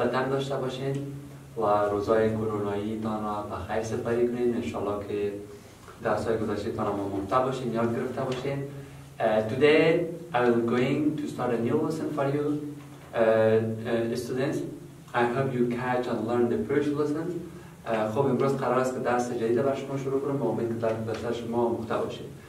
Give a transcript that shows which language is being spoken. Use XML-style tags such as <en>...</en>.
<fa>داشته باشین و روزای کرونایی تان را به خیر سپری کنین. انشالله که درسای گذاشته تان را ممتاز باشین، یاد گرفته باشین.</fa> <en>Today I'm going to start a new lesson for you students. I hope you catch and learn the first lesson.</en> <fa>خب امروز قرار است که درس جدید بر شما شروع کنم. امید که در درس شما ممتاز باشین.</fa>